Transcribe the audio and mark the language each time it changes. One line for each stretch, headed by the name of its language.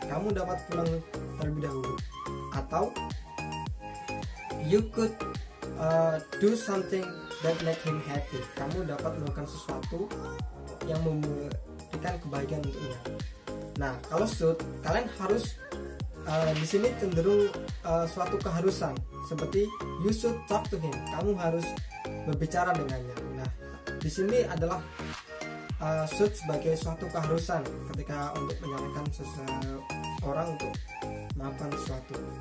Indonesian: Kamu dapat pulang terlebih dahulu.
English: Atau you could do something that make him happy.
Indonesian: Kamu dapat melakukan sesuatu yang memberikan kebahagiaan untuknya. Nah, kalau should, kalian harus di sini cenderung suatu keharusan, seperti
English: you should talk to him.
Indonesian: Kamu harus berbicara dengannya. Nah, di sini adalah should sebagai suatu keharusan ketika untuk menyarankan seseorang untuk melakukan sesuatu.